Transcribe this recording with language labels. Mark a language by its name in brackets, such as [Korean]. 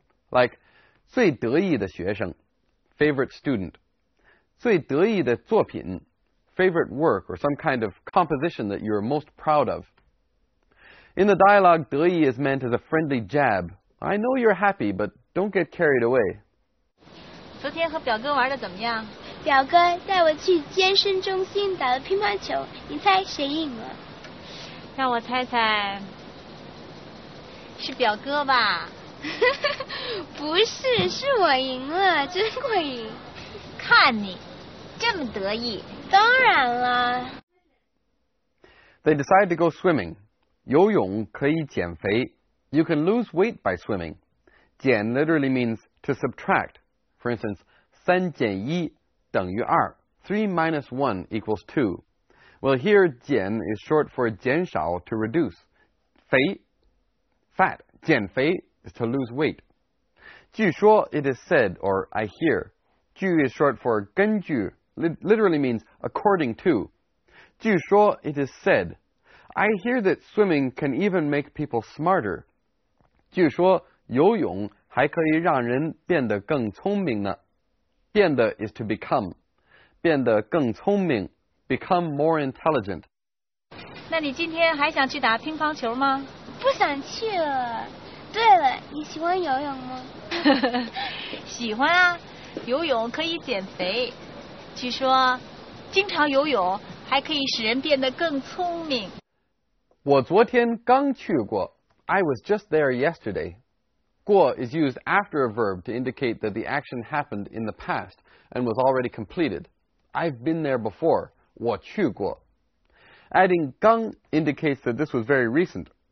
[English] Like [Chinese] 最得意的学生, [English] favorite student. [Chinese] 最得意的作品, [English] favorite work or some kind of composition that you're most proud of. In the dialogue, 得意 is meant as a friendly jab. I know you're happy, but don't get carried away. [Chinese] 昨天和表哥玩得怎么样? 表哥带我去健身中心打了乒乓球，你猜谁赢了? 让我猜猜，是表哥吧？不是，是我赢了，真会赢。看你这么得意。当然了。 [English] They decide to go swimming. [Chinese] 游泳可以减肥。 [English] You can lose weight by swimming. 减 literally means to subtract. For instance, [Chinese] 三减一等于二。 [English] 3 minus 1 equals 2. Well, here, 减 is short for 减少, to reduce. 肥, fat. 减肥 is to lose weight. 据说, it is said, or I hear. 据 is short for 根据, literally means according to. 据说, it is said. I hear that swimming can even make people smarter. [Chinese] 据说, 游泳还可以让人变得更聪明呢。 [English] 变得 is to become. [Chinese] 变得更聪明 [English] become more intelligent. [Chinese] 那你今天还想去打乒乓球吗？不想去了。对了，你喜欢游泳吗？喜欢啊，游泳可以减肥。据说，经常游泳还可以使人变得更聪明。我昨天刚去过。 [English] I was just there yesterday. 过 is used after a verb to indicate that the action happened in the past and was already completed. I've been there before. [Chinese] 我去过。 [English] Adding 刚 indicates that this was very recent.